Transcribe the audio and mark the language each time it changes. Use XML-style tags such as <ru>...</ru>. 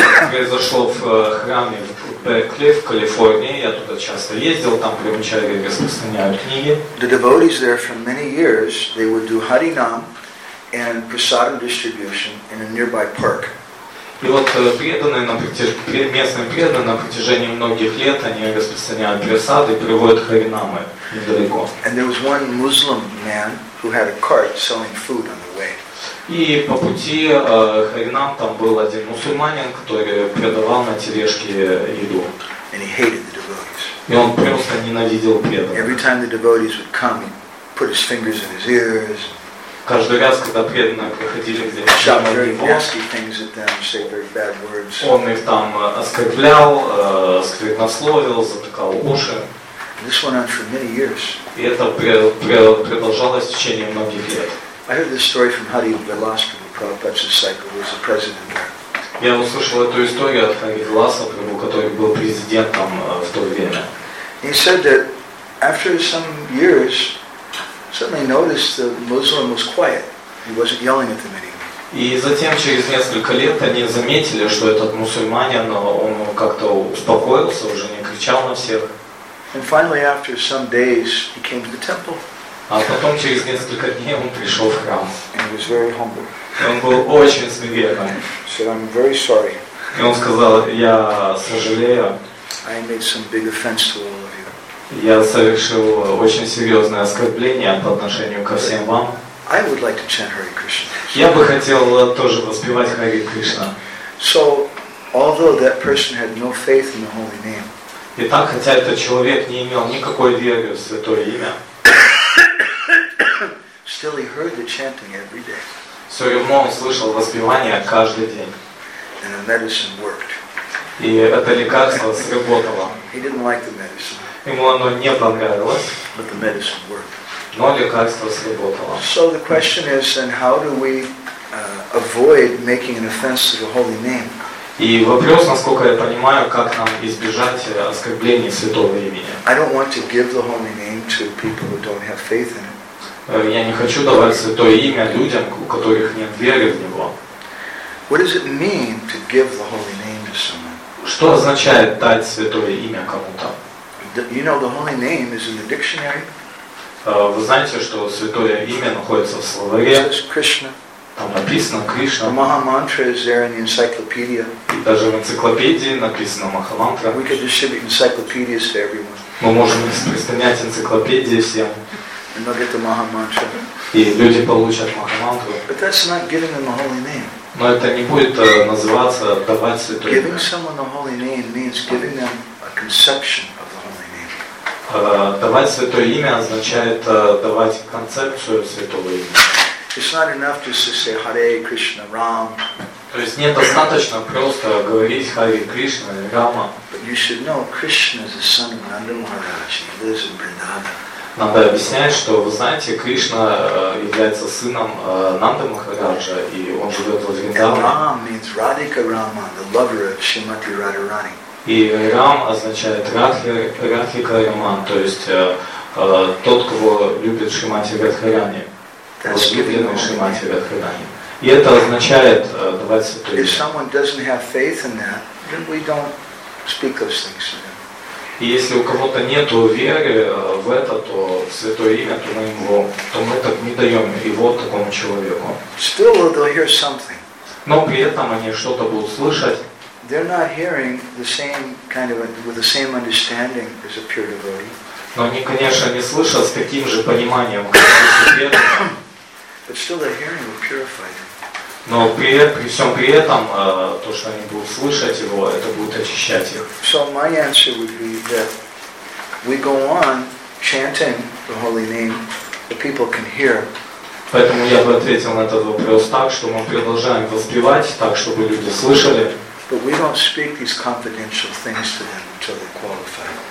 <ru>Произошло в храме в Беркли, в Калифорнии. Я туда часто ездил, там брахмачари распространяют книги.</ru> <en>The devotees there for many years, they would do harinam and prasadam distribution in a nearby park.</en> <ru>И вот местные преданные на протяжении многих лет они распространяют прасады и приводят харинамы.</ru> <en>And there was one Muslim man who had a cart selling food on the way.</en> <ru>И по пути харинам там был один мусульманин, который продавал на тележке еду.</ru> <en>And he hated the devotees.</en> <ru>И он просто ненавидел преданных.</ru> <en>Every time the devotees would come, he put his fingers in his ears.</en> <ru>Каждый раз, когда преданные приходили к нему, он их там оскорблял, сквернословил, затыкал уши.</ru> <en>This went on for many years.</en> <ru>И это продолжалось в течение многих лет.</ru> <en>I heard this story from Hari Vilasa, the Prabhupada's disciple, who was the president there.</en> <ru>Я услышал эту историю от Хари Виласа, который был президентом в то время.</ru> <en>He said that after some years, suddenly noticed the Muslim was quiet. He wasn't yelling at them anymore.</en> <ru>И затем через несколько лет они заметили, что этот мусульманин, он как-то успокоился, уже не кричал на всех.</ru> <en>And finally, after some days, he came to the temple.</en> <ru>А потом через несколько дней он пришел в храм.</ru> <en>And he was very humble.</en> <ru>Он был очень смиренным.</ru> <en>Said, I'm very sorry.</en> <ru>И он сказал, я сожалею.</ru> <en>I made some big offense to all of you.</en> <ru>Я совершил очень серьезное оскорбление по отношению ко всем вам.</ru> <en>I would like to chant Hare Krishna.</en> <ru>Я бы хотел тоже воспевать Хари Кришна.</ru> <en>So, although that person had no faith in the holy name.</en> <ru>Итак, хотя этот человек не имел никакой веры в святое имя.</ru> <en>Still, he heard the chanting every day.</en> <ru>Все равно он слышал воспевание каждый день.</ru> <en>And the medicine worked.</en> <ru>И это лекарство сработало.</ru> <en>He didn't like the medicine.</en> <ru>Ему оно не понравилось.</ru> <en>But the medicine worked.</en> <ru>Но лекарство сработало.</ru> <en>So the question is, and how do we avoid making an offense to the holy name?</en> <ru>И вопрос, насколько я понимаю, как нам избежать оскорблений святого имени?</ru> <en>I don't want to give the holy name to people who don't have faith in it.</en> <ru>Я не хочу давать святое имя людям, у которых нет веры в него.</ru> <en>What does it mean to give the holy name to someone?</en> <ru>Что означает дать святое имя кому-то?</ru> <en>You know the holy name is in the dictionary.</en> <ru>Вы знаете, что святое имя находится в словаре.</ru> <en>It says Krishna.</en> <ru>Там написано Кришна.</ru> <en>The Mahamantra is there in the encyclopedia.</en> <ru>И даже в энциклопедии написано Махамантра.</ru> <en>We could distribute encyclopedias to everyone.</en> <ru>Мы можем распространять энциклопедии всем.</ru> <en>And they'll get the Mahamantra.</en> <ru>И люди получат Махамантру.</ru> <en>But that's not giving them the holy name.</en> <ru>Но это не будет называться давать святое имя.</ru> <en>Giving someone the holy name means giving them a conception of the holy name.</en> <ru>Давать святое имя означает давать концепцию святого имени.</ru> <en>It's not enough just to say Hare Krishna Ram.</en> <ru>То есть недостаточно просто говорить Хари Кришна Рама.</ru> <en>But you should know Krishna is the son of Nanda Maharaj. He lives in Vrindavan.</en> <ru>Надо объяснять, что, вы знаете, Кришна является сыном Нанды Махараджа, и он живет в Вриндаване. И Рам означает Радхика Раман, то есть тот, кого любит Шримати Радхарани, возлюбленный Шримати Радхарани. И это означает давать святое имя.</ru> <en>If someone doesn't have faith in that, then we don't speak those things to them.</en> <ru>И если у кого-то нет веры в это, то в святое имя, то мы его, то мы так не даем его такому человеку.</ru> <en>Still, they'll hear something.</en> <ru>Но при этом они что-то будут слышать.</ru> <en>Not hearing the same kind of a, with the same understanding as a pure devotee.</en> <ru>Но они, конечно, не слышат с таким же пониманием, как и святые.</ru> <en>But still, their hearing will purify them.</en> <ru>Но при всем при этом, то, что они будут слышать его, это будет очищать их.</ru> <en>So my answer would be that we go on chanting the holy name, the people can hear.</en> <ru>Поэтому я бы ответил на этот вопрос так, что мы продолжаем воспевать так, чтобы люди слышали.</ru> <en>But we don't speak these confidential things to them until they qualify.</en>